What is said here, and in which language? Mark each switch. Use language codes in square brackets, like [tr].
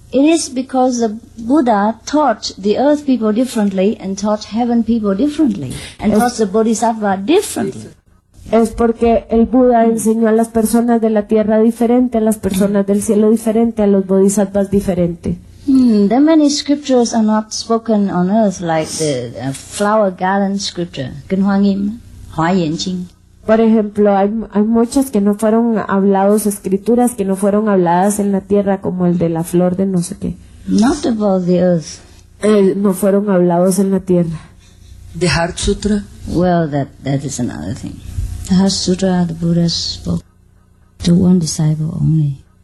[en] It is because the Buddha taught the earth people differently and taught heaven people differently and taught the Bodhisattva differently. [es] Es porque el Buda enseñó a las personas de la tierra diferente, a las personas del cielo diferente, a los Bodhisattvas diferente. [en] There many scriptures are not spoken on earth, like the flower garden scripture, Genhuangim, Huayanqing. [es] Por ejemplo, hay muchas que no fueron hablados, escrituras que no fueron habladas en la tierra, como el de la flor de no sé qué. [en] Not about the earth. [es] No fueron hablados en la tierra. [en] The heart sutra? Well, that is another thing. The heart sutra, the Buddha spoke to one disciple only.